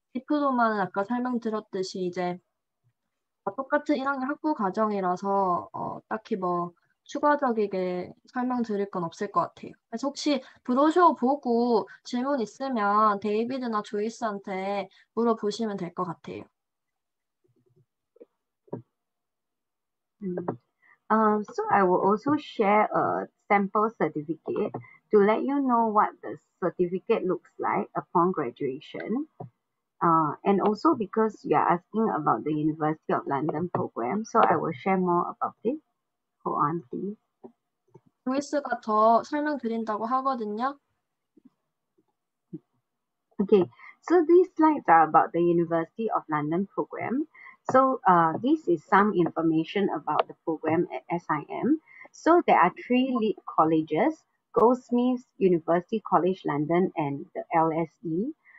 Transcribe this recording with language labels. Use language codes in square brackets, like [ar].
[ko] 디프로마는 아까 설명드렸듯이 이제 똑같은 1학년 학부 과정이라서 딱히 뭐 추가적이게 설명드릴 건 없을 것 같아요. 그래서 혹시 브로셔 보고 질문 있으면 데이비드나 조이스한테 물어보시면 될 것 같아요. [en] So I will also share a sample certificate to let you know what the certificate looks like upon graduation. And also because you are asking about the University of London program, so I will share more about it. Hold on, please. [ko] 조이스가 더 설명드린다고 하거든요. [en] Okay, so these slides are about the University of London program. So this is some information about the program at SIM. So there are three lead colleges, Goldsmiths, University College London, and the LSE.